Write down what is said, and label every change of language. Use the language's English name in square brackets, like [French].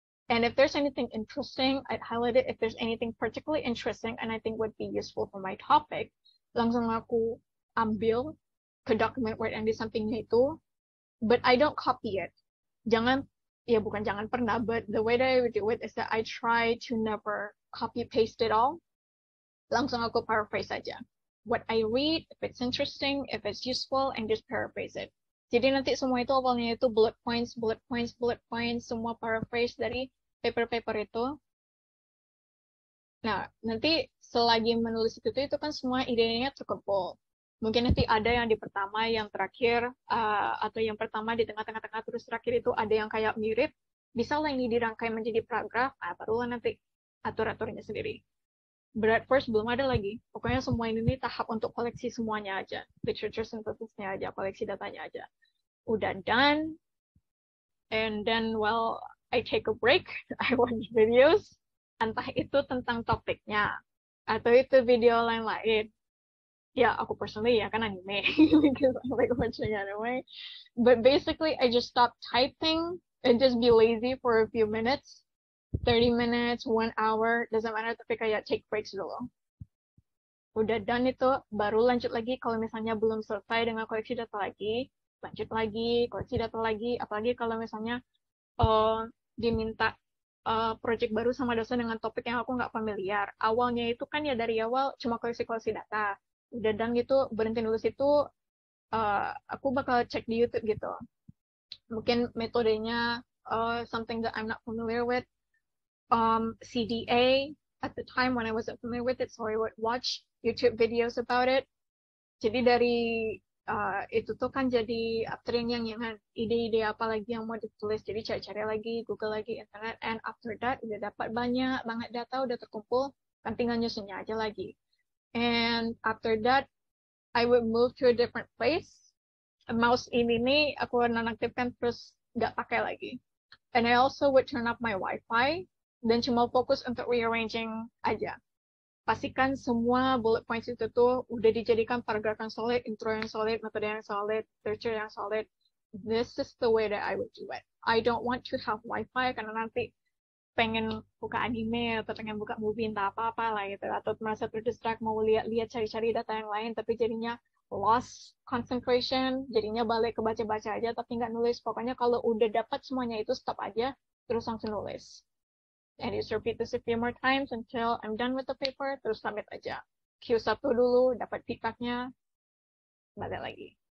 [English] And if there's anything interesting, I'd highlight it. If there's anything particularly interesting and I think would be useful for my topic, [Indonesian] langsung aku ambil ke document word yang di sampingnya itu. [English] But I don't copy it. But the way that I would do it is that I try to never copy-paste it all. [Indonesian] Langsung aku paraphrase aja. [English] What I read, if it's interesting, if it's useful, and just paraphrase it. [Indonesian] Jadi nanti semua itu awalnya itu bullet points, semua paraphrase dari paper-paper itu. Nah, nanti selagi menulis itu kan semua idenya terkumpul. Mungkin nanti ada yang di pertama, yang terakhir, atau yang pertama di tengah-tengah, terus terakhir itu ada yang kayak mirip. Bisa lah ini dirangkai menjadi paragraf, barulah nanti atur-aturnya sendiri. Breadth first belum ada lagi. Pokoknya semua ini tahap untuk koleksi semuanya aja. Literature synthesis-nya aja, koleksi datanya aja. Udah done. [English] And then, well, I take a break. I watch videos. [Indonesian] Entah itu tentang topiknya. Atau itu video lain-lain. Ya, aku personally ya kan anime. [English] Because I like watching anime. But basically, I just stop typing and just be lazy for a few minutes. 30 minutes, 1 hour, doesn't matter, [Indonesian] tapi kayak [English] take breaks dulu. [Indonesian] Udah done itu, baru lanjut lagi kalau misalnya belum selesai dengan koleksi data lagi, lanjut lagi, koleksi data lagi, apalagi kalau misalnya diminta project baru sama dosen dengan topik yang aku nggak familiar. Awalnya itu kan ya dari awal cuma koleksi-koleksi data. Udah done gitu, berhenti dulu situ, aku bakal cek di YouTube gitu. [English] Mungkin metodenya something that I'm not familiar with, CDA at the time when I wasn't familiar with it, so I would watch YouTube videos about it. [Indonesian] Jadi dari itu tuh kan jadi upturing yang ide-ide apa lagi yang mau ditulis. Jadi cari-cari lagi, Google lagi, internet, [English] and after that [Indonesian] udah dapat banyak banget data, udah terkumpul, kan tinggal nyusunnya aja lagi. [English] And after that, I would move to a different place. [Indonesian] Mouse ini nih, aku nonaktifkan terus gak pakai lagi. [English] And I also would turn off my wifi, [Indonesian] dan cuma fokus untuk [English] rearranging aja. [Indonesian] Pastikan semua bullet points itu tuh udah dijadikan paragraf yang solid, intro yang solid, metode yang solid, structure yang solid. [English] This is the way that I would do it. I don't want to have wifi [Indonesian] karena nanti pengen buka anime atau pengen buka movie entah apa-apa lah gitu. Atau merasa terdistract mau lihat-lihat cari-cari data yang lain tapi jadinya [English] lost concentration, [Indonesian] jadinya balik ke baca-baca aja tapi nggak nulis. Pokoknya kalau udah dapat semuanya itu stop aja terus langsung nulis. [English] And just repeat this a few more times until I'm done with the paper, [Indonesian] terus submit aja. Q1 dulu, dapat feedback-nya, balik lagi.